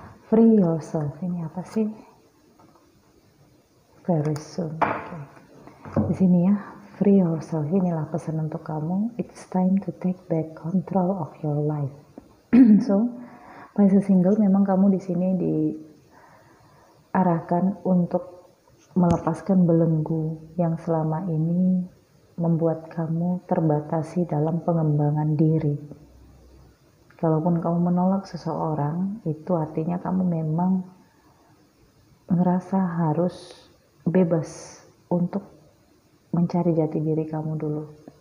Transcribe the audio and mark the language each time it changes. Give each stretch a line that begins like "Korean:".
English: Free yourself,
Indonesian: ini apa sih?
English: Very soon. Okay.
Indonesian: Di sini ya,
English: free yourself.
Indonesian: Inilah pesan untuk kamu.
English: It's time to take back control of your life.
Indonesian: So, Pisces single, memang kamu di sini diarahkan untuk melepaskan belenggu yang selama ini membuat kamu terbatasi dalam pengembangan diri. Kalaupun kamu menolak seseorang, itu artinya kamu memang ngerasa harus bebas untuk mencari jati diri kamu dulu.